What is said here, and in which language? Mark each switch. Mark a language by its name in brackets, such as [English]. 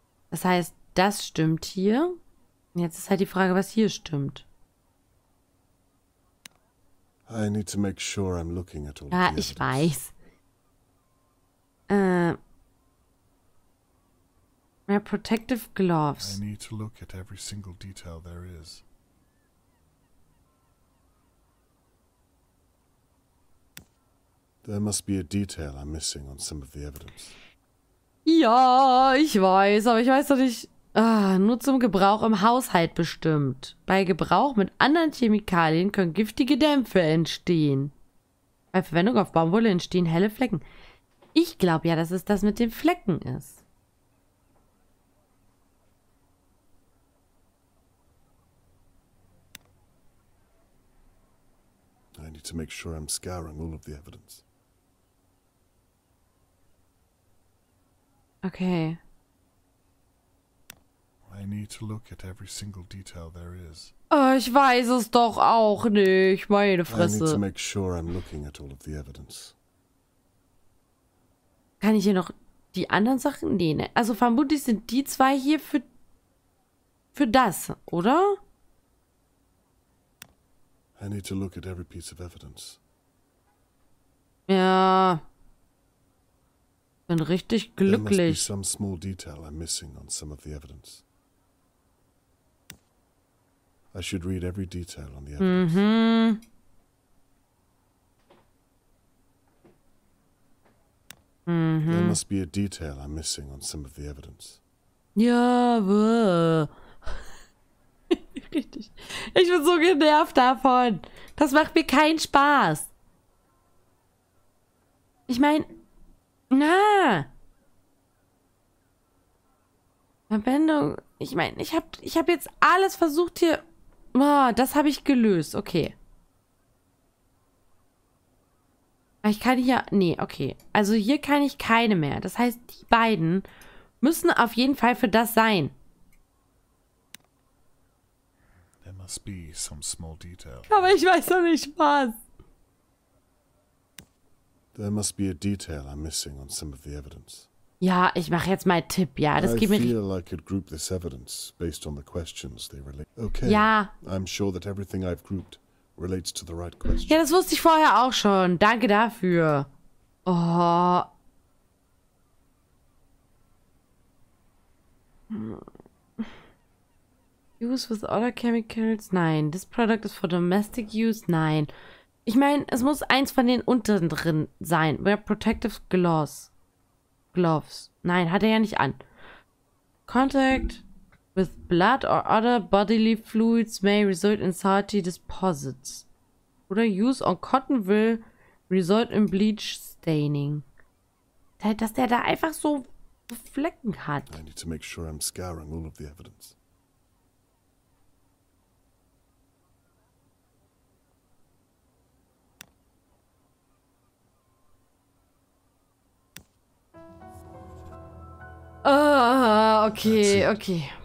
[German] Das heißt, das stimmt hier. Und jetzt ist halt die Frage, was hier stimmt. [English] I need to make sure I'm looking at all the evidence. [German] Ja, ich weiß. Mehr [English] protective gloves. I need to look at every single detail there is. There must be a detail I'm missing on some of the evidence. [German] Ja, ich weiß, aber ich weiß doch nicht. Ah, nur zum Gebrauch im Haushalt bestimmt. Bei Gebrauch mit anderen Chemikalien können giftige Dämpfe entstehen. Bei Verwendung auf Baumwolle entstehen helle Flecken. Ich glaube ja, dass es das mit den Flecken ist. [English] I need to make sure I'm scouring all of the evidence. Okay. I need to look at every single detail there is. [German] Oh, ich weiß es doch auch nicht, meine Fresse. [English] I need to make sure I'm looking at all of the evidence. [German] Kann ich hier noch die anderen Sachen? Nee, ne. Also vermutlich sind die zwei hier für das, oder? [English] I need to look at every piece of evidence. [German] Ja. Bin richtig glücklich. [English] There must be some small detail I'm missing on some of the evidence. I should read every detail on the evidence. Mhm. There must be a detail I'm missing on some of the evidence. [German] Ja, richtig. Ich bin so genervt davon. Das macht mir keinen Spaß. Ich meine, na. Verwendung. Ich meine, ich hab jetzt alles versucht hier. Oh, das habe ich gelöst. Okay. Ich kann hier... Nee, okay. Also hier kann ich keine mehr. Das heißt, die beiden müssen auf jeden Fall für das sein. [English] There must be some small detail. [German] Aber ich weiß noch nicht was. [English] There must be a detail I'm missing on some of the evidence. [German] Ja, ich mache jetzt mal Tipp, ja. Das geht mir. [English] I feel like I could group this evidence based on the questions they relate. Okay. [German] Ja. [English] I'm sure that everything I've grouped relates to the right question. [German] Ja, das wusste ich vorher auch schon. Danke dafür. Oh. [English] Use with other chemicals? [German] Nein. [English] This product is for domestic use? [German] Nein. Ich meine, es muss eins von den unteren drin sein. [English] Wear protective gloves. Gloves. [German] Nein, hat er ja nicht an. [English] Contact with blood or other bodily fluids may result in salty deposits. [German] Oder [English] use on cotton will result in bleach staining. [German] Dass der da einfach so Flecken hat. [English] I need to make sure I'm scouring all of the evidence. Okay.